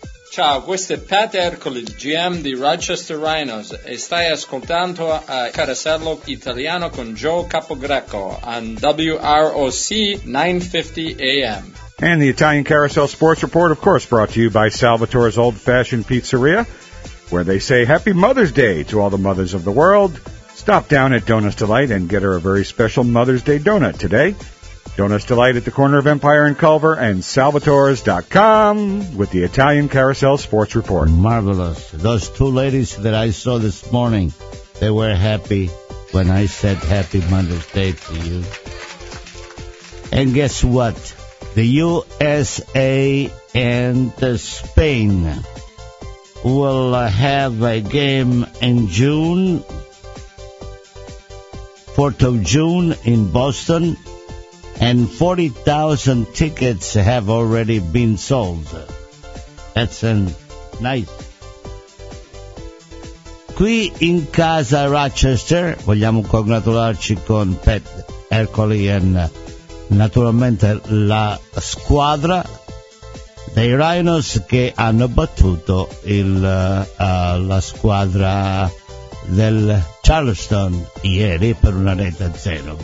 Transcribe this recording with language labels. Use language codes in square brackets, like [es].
[it] Ciao, questo è Pat Ercoli, GM di Rochester Rhinos, e stai ascoltando a Carosello Italiano con Joe Capogreco on WROC 950 AM. [en] And the Italian Carousel Sports Report, of course, brought to you by Salvatore's Old Fashioned Pizzeria, where they say Happy Mother's Day to all the mothers of the world. Stop down at Donut's Delight and get her a very special Mother's Day donut today. Donut's Delight at the corner of Empire and Culver and Salvatore's.com with the Italian Carousel Sports Report. Marvelous. Those two ladies that I saw this morning, they were happy when I said Happy Mother's Day to you. And guess what? The USA and Spain will have a game in June, 4th of June in Boston. And 40,000 tickets have already been sold. That's nice. [it] Qui in casa Rochester, vogliamo congratularci con Pat Ercoli and naturalmente la squadra dei Rhinos che hanno battuto la squadra del Charleston ieri per una rete a zero.